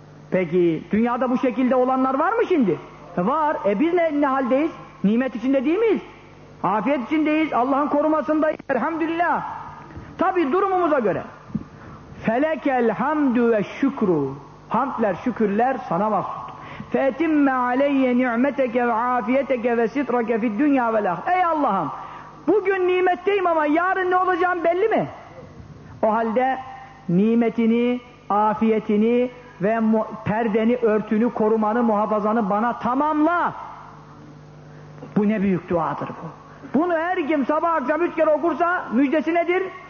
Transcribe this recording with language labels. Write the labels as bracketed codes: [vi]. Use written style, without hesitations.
[tr] Peki, dünyada bu şekilde olanlar var mı şimdi? Var. Biz ne haldeyiz? Nimet içinde değil miyiz? Afiyet içindeyiz, Allah'ın korumasındayız, elhamdülillah. Tabii durumumuza göre. [ar] فَلَكَ الْحَمْدُ وَالشُّكْرُ [tr] Hamdler, şükürler sana mahsut. [ar] فَاَتِمَّ عَلَيَّ نِعْمَتَكَ وَعَافِيَتَكَ وَسِطْرَكَ فِي الدُّنْيَا وَالْآخِرَةِ [tr] Ey Allah'ım! Bugün nimetteyim ama yarın ne olacağım belli mi? O halde nimetini, afiyetini ve perdeni, örtünü, korumanı, muhafazanı bana tamamla! Bu ne büyük duadır bu. Bunu her kim sabah akşam 3 kere okursa müjdesi nedir?